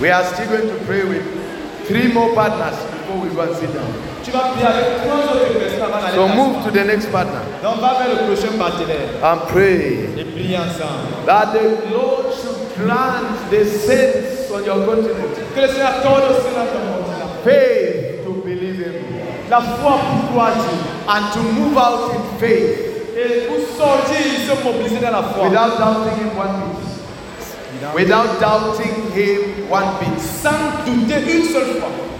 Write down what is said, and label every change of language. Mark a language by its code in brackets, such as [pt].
[en] We are still going to pray with three more partners before we go and sit down. [fr] Tu vas prier avec trois autres personnes avant d'aller. [en] So move to the next partner. [fr] Donc va vers le prochain partenaire. [en] And pray. [fr] Et prie ensemble. [en] That the Lord should grant the saints on your continent. [fr] Que le Seigneur accorde aussi dans ton monde. [en] Faith to believe in. [fr] La foi pour croire. [en] And to move out in faith. [fr] Et pour sortir et se mobiliser dans la foi. [en] Without doubting in one piece. Without doubting him one bit. [fr] Sans douter une seule fois.